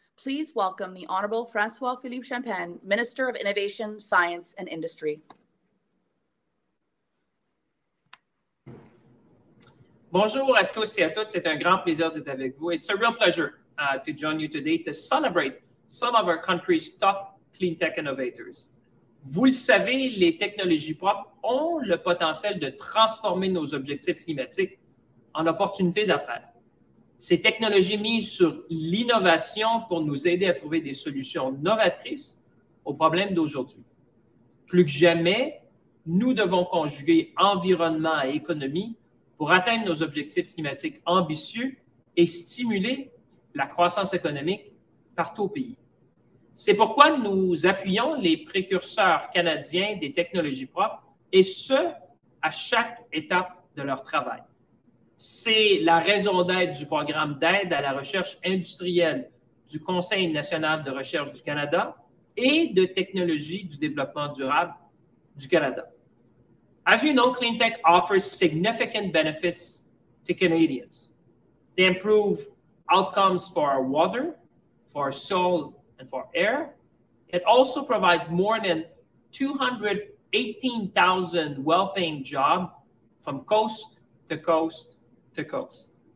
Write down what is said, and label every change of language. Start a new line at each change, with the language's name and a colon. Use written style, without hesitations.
English: Please welcome the Honourable François-Philippe Champagne, Minister of Innovation, Science and Industry.
French: Bonjour à tous et à toutes. C'est un grand plaisir d'être avec vous.
English: It's a real pleasure to join you today to celebrate some of our country's top clean tech innovators.
French: Vous le savez, les technologies propres ont le potentiel de transformer nos objectifs climatiques en opportunités d'affaires. Ces technologies misent sur l'innovation pour nous aider à trouver des solutions novatrices aux problèmes d'aujourd'hui. Plus que jamais, nous devons conjuguer environnement et économie pour atteindre nos objectifs climatiques ambitieux et stimuler la croissance économique partout au pays. C'est pourquoi nous appuyons les précurseurs canadiens des technologies propres, et ce, à chaque étape de leur travail. C'est la raison d'être du programme d'aide à la recherche industrielle du Conseil national de recherche du Canada et de technologies du développement durable du Canada.
English: As you know, cleantech offers significant benefits to Canadians. They improve outcomes for our water, for our soil, and for air. It also provides more than 218,000 well-paying jobs from coast to coast to coast.